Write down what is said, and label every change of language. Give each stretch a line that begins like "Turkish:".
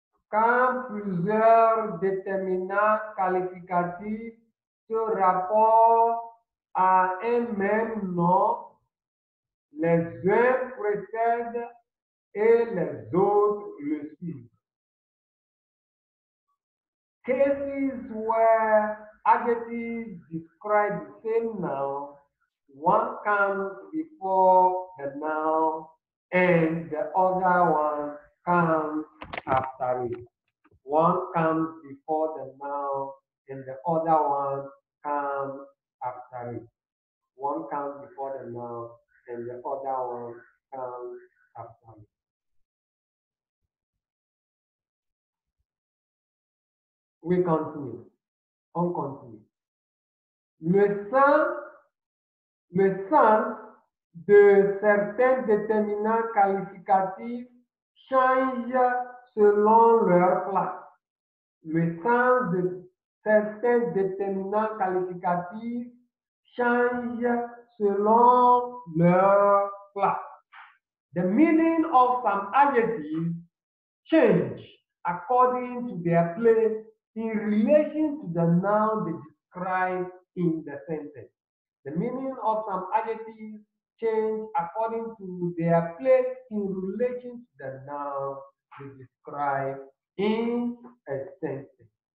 French: Quand plusieurs déterminants qualificatifs se rapportent à un même nom, les uns précèdent et les autres le suivent.
English: Cases where adjectives describe the same noun, one comes before the noun and the other one comes after it. One comes before the noun and the other one comes after it. One comes before the noun and the other one comes after it. We continue.
French: On continue. Le sens de certains déterminants qualificatifs change selon leur place. Le sens de certains déterminants qualificatifs change selon leur place.
English: The meaning of some adjectives change according to their place in relation to the noun they describe in the sentence. The meaning of some adjectives change according to their place in relation to the noun they describe in a sentence.